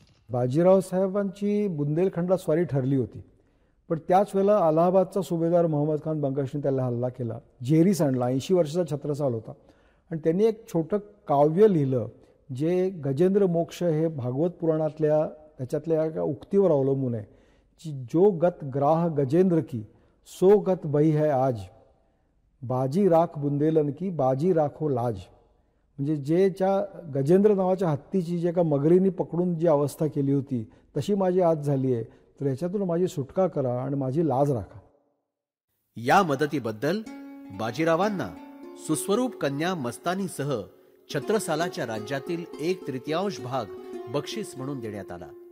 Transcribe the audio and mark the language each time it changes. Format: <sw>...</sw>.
<mr>बाजीराव साहेबांची बुंदेलखंडात स्वारी ठरली होती, पण त्याच वेळेला अलाहाबादचा सुभेदार मोहम्मद खान बांगसने त्याला हल्ला केला. जेरीस आणला, 80 वर्षाचा छत्रसाल होता, आणि त्यांनी एक छोटं काव्य लिहिलं जे गजेंद्र मोक्ष हे भागवत पुराणातल्या त्याच्यातल्या एका उक्तीवर अवलंबून आहे.</mr> <hi>जो गत ग्राह गजेंद्र की सो गत बही है आज, बाजी राख बुंदेलन की बाजी राखो लाज.</hi> <mr>म्हणजे जे ज्या गजेंद्र नावाच्या हत्तीची जे का मगरींनी पकडून जी अवस्था केली होती तशी माझी आज झाली आहे, तर याच्यातून माझी सुटका करा आणि माझी लाज राखा. या मदतीबद्दल बाजीरावांना सुस्वरूप कन्या मस्तानीसह छत्रसालाच्या राज्यातील 1/3 भाग बक्षीस म्हणून देण्यात आला.</mr>